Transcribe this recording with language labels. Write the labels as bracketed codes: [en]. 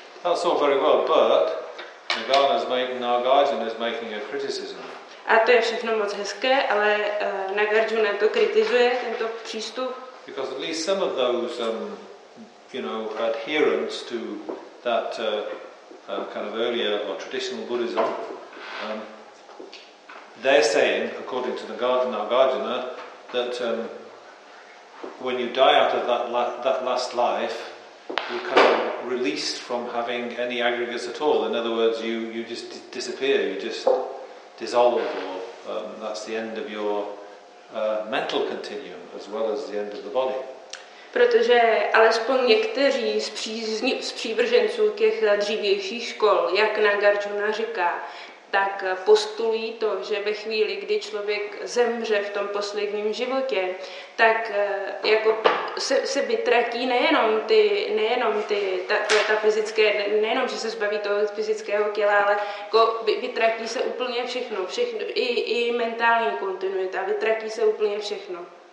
[en] That's all very well, but Nagarjuna is making a criticism. [cs] A to je všechno moc hezké, ale Nagarjuna to kritizuje, tento přístup. [en] Because at least some of those, you know, adherents to that kind of earlier or traditional Buddhism, they're saying, according to Nagarjuna, that when you die out of that last life, you're kind of released from having any aggregates at all. In other words, you just disappear, you just dissolve, or that's the end of your mental continuum as well as the end of the body. [cs] Protože alespoň někteří z přívrženců těch dřívějších škol, jak Nagarjuna říká, tak postulují to, že ve chvíli, kdy člověk zemře v tom posledním životě, tak jako se vytratí nejenom že se zbaví toho fyzického těla, ale jako vytratí se úplně všechno i mentální kontinuita, vytratí se úplně všechno.